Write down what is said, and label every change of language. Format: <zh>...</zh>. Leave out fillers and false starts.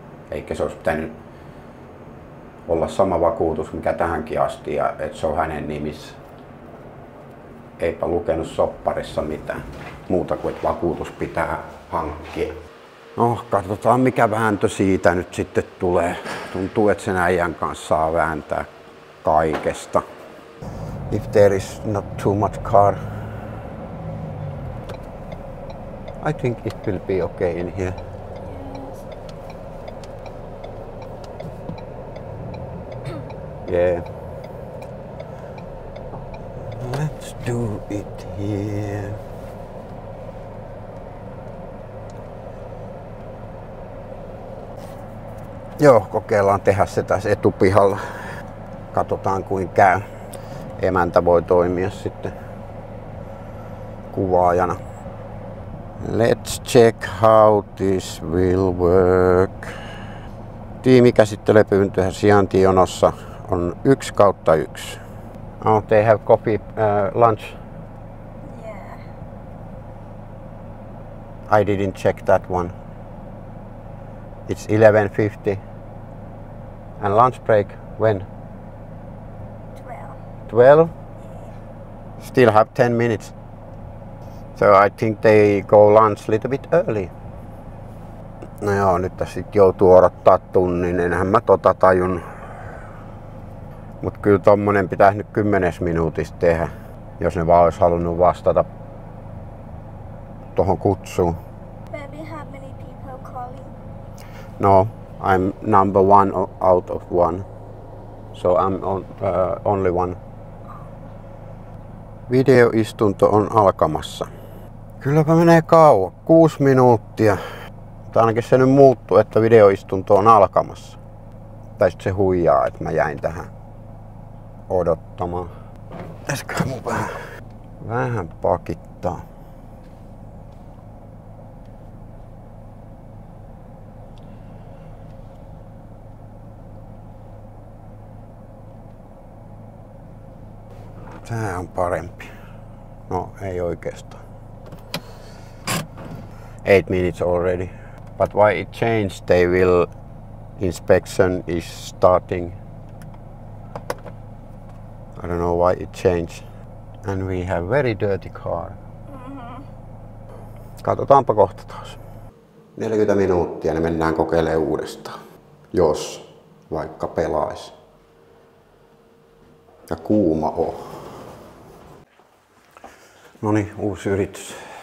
<fi>Eikä se olisi pitänyt olla sama vakuutus, mikä tähänkin asti, ja et se on hänen nimissä. Eipä lukenut sopparissa mitään muuta kuin, että vakuutus pitää hankkia. No, katsotaan mikä vääntö siitä nyt sitten tulee. Tuntuu, että sen äijän kanssa saa vääntää kaikesta.</fi> <en>If there is not too much car, I think it will be okay in here. Yeah. Let's do it here.</en> <fi>Joo, kokeillaan tehdä se tässä etupihalla. Katsotaan kuin käy. Emäntä voi toimia sitten kuvaajana.</fi> <en>Let's check how this will work.</en> <fi>Tiimikäsittelypyyntöä sijaintijonossa on 1/1.</fi> <en>Oh, they have coffee, lunch? Yeah. I didn't check that one. It's 11:50. And lunch break, when? 12. Still have 10 minutes. So I think they go lunch a little bit early.</en> <fi>No joo, nyt tässä joutuu odottaa tunnin, enhän mä tota tajun. Mut kyllä tommonen pitäis nyt 10 minuutista tehdä, jos ne vaan olisi halunnut vastata tohon kutsuun.</fi> <en>Baby, how many people calling? No, I'm number one out of one. So I'm only one.</en> <fi>Videoistunto on alkamassa. Kylläpä menee kauan, 6 minuuttia. Tai ainakin se nyt muuttuu, että videoistunto on alkamassa. Tai sitten se huijaa, että mä jäin tähän odottamaan. Pitäisikö mun vähän pakittaa. Tää on parempi. No, ei oikeastaan.</fi> <en>8 minutes already. But why it changed? They will... Inspection is starting. I don't know why it changed. And we have very dirty car.</en> <fi>Katsotaanpa kohta taas. 40 minuuttia, niin mennään kokeilemaan uudestaan. Jos vaikka pelais. Ja kuuma on. No niin, uusi yritys.</fi>